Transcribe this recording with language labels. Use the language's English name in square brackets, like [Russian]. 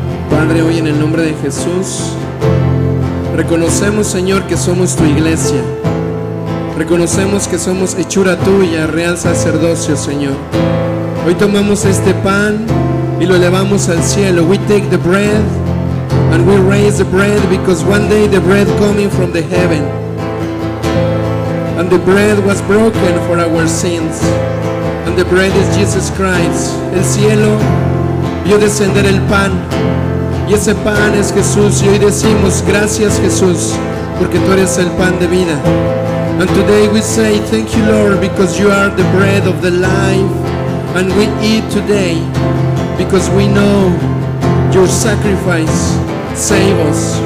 [Spanish] Padre, hoy en el nombre de Jesús, reconocemos, Señor, que somos tu iglesia. Reconocemos que somos hechura tuya, real sacerdocio, Señor. Hoy tomamos este pan y lo elevamos al cielo. [English] We take the bread and we raise the bread, because one day the bread coming from the heaven, and the bread was broken for our sins, and the bread is Jesus Christ. [Spanish] El cielo vio descender el pan, y ese pan es Jesús. Y hoy decimos gracias, Jesús, porque tú eres el pan de vida. [English] And today we say thank you, Lord, because you are the bread of the life. And we eat today because we know your sacrifice save us.